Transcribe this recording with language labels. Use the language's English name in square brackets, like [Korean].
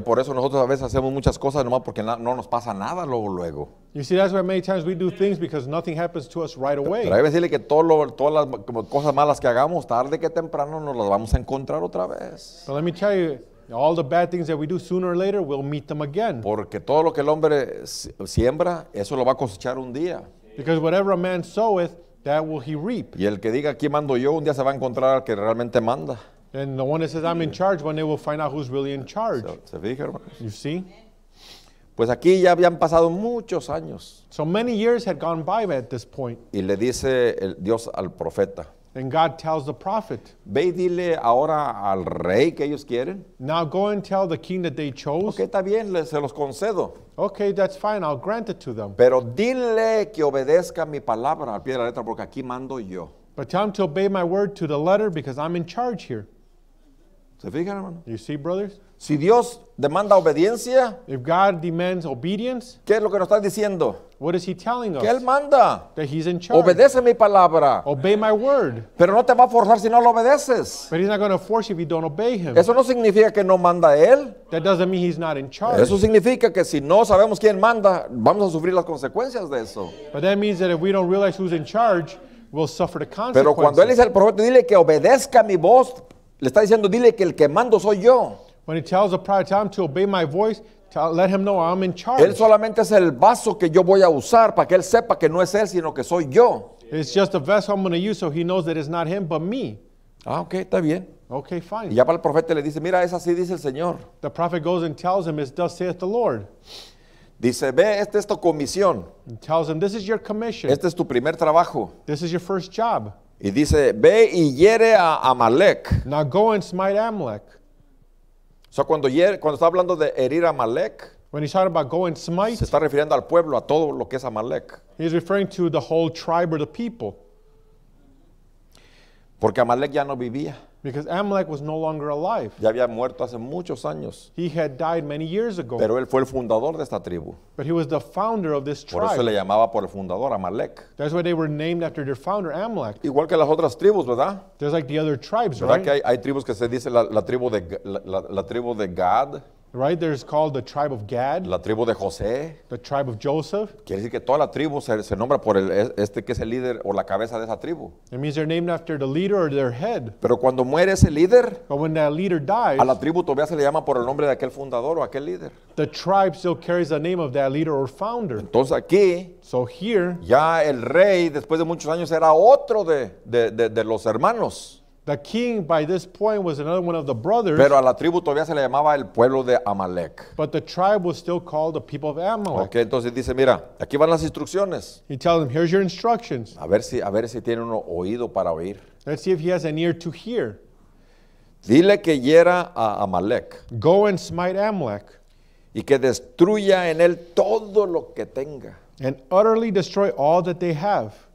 [Spanish] Por eso nosotros a veces hacemos muchas cosas no más porque no nos pasa nada luego. [English] You see, that's why many times we do things because nothing happens to us right away. [Spanish] Pero hay que decirle que todas las cosas malas que hagamos tarde que temprano nos las vamos a encontrar otra vez. [English] But let me tell you, all the bad things that we do sooner or later we'll meet them again. [Spanish] Porque todo lo que el hombre siembra eso lo va a cosechar un día. [English] Because whatever a man soweth, that will he reap. [Spanish] Y el que diga aquí mando yo, un día se va a encontrar al que realmente manda. [English] And the one that says I'm in charge, one day will find out who's really in charge. [Spanish] ¿Se fija, hermanos? [English] You see? [Spanish] Pues aquí ya habían pasado muchos años. [English] So many years had gone by at this point. [Spanish] Y le dice Dios al profeta. [English] And God tells the prophet. [Spanish] Ve y dile ahora al rey que ellos quieren. [English] Now go and tell the king that they chose. [Spanish] Okay, está bien, se los concedo. [English] Okay, that's fine, I'll grant it to them. [Spanish] Pero dile que obedezca mi palabra al pie de la letra porque aquí mando yo. [English] But tell him to obey my word to the letter because I'm in charge here. [Spanish] ¿Se fijan, hermano? [English] You see, brothers? [Spanish] Si Dios demanda obediencia. [English] If God demands obedience. [Spanish] ¿Qué es lo que nos está diciendo? [English] What is he telling us? [Spanish] Que él manda. [English] That he's in charge. [Spanish] Obedece mi palabra. [English] Obey my word. [Spanish] Pero no te va a forzar si no lo obedeces. [English] But he's not going to force you if you don't obey him. [Spanish] Eso no significa que no manda él. [English] That doesn't mean he's not in charge. [Spanish] Eso significa que si no sabemos quién manda, vamos a sufrir las consecuencias de eso. [English] But that means that if we don't realize who's in charge, we'll suffer the consequences. [Spanish] Pero cuando él dice al profeta, dile que obedezca mi voz, le está diciendo, dile que el que mando soy yo. [English] When he tells the prophet, tell him to obey my voice, let him know I'm in charge. [Spanish] Él solamente es el vaso que yo voy a usar para que él sepa que no es él, sino que soy yo. [English] It's just a vessel I'm going to use so he knows that it's not him, but me. [Spanish] Ah, okay, está bien. [English] Okay, fine. [Spanish] Y ya para el profeta le dice, mira, es así dice el Señor. [English] The prophet goes and tells him, it's thus saith the Lord. [Spanish] Dice, ve, esta es tu comisión. [English] He tells him, this is your commission. [Spanish] Este es tu primer trabajo. [English] This is your first job. [Spanish] Y dice, ve y hiere a Amalek. [English] Now go and smite Amalek. [Spanish] O sea, cuando está hablando de herir a Amalek, [English] when he's talking about go and smite, [Spanish] se está refiriendo al pueblo, a todo lo que es Amalek. [English] He's referring to the whole tribe or the people. [Spanish] Porque Amalek ya no vivía. [English] Because Amalek was no longer alive. [Spanish] Ya había muerto hace muchos años. [English] He had died many years ago. [Spanish] Pero él fue el fundador de esta tribu. [English] But he was the founder of this tribe. [Spanish] Por eso le llamaba por el fundador, Amalek. [English] That's why they were named after their founder, Amalek. [Spanish] Igual que las otras tribus, ¿verdad? [English] There's like the other tribes, [Spanish] ¿verdad? [English] Right? [Spanish] Que hay tribus que se dice la tribu de Gad. [English] Right, there's called the tribe of Gad. [Spanish] La tribu de José. [English] The tribe of Joseph. [Spanish] Quiere decir que toda la tribu se nombra por este que es el líder o la cabeza de esa tribu. [English] It means they're named after the leader or their head. [Spanish] Pero cuando muere ese líder, [English] but when that leader dies, [Spanish] a la tribu todavía se le llama por el nombre de aquel fundador o aquel líder. [English] The tribe still carries the name of that leader or founder. [Spanish] Entonces aquí, [English] so here, [Spanish] ya el rey después de muchos años era otro de los hermanos. [English] The king by this point was another one of the brothers. [Spanish] Pero a la tribu todavía se le llamaba el pueblo de Amalek. [English] But the tribe was still called the people of Amalek. [Spanish] Okay, entonces dice, mira, aquí van las instrucciones. [English] He tells them, here's your instructions. [Spanish] A ver si tiene uno oído para oír. [English] Let's see if he has an ear to hear. [Spanish] Dile que hiera a Amalek. [English] Go and smite Amalek. [Spanish] Y que destruya en él todo lo que tenga. [English] And utterly destroy all that they have.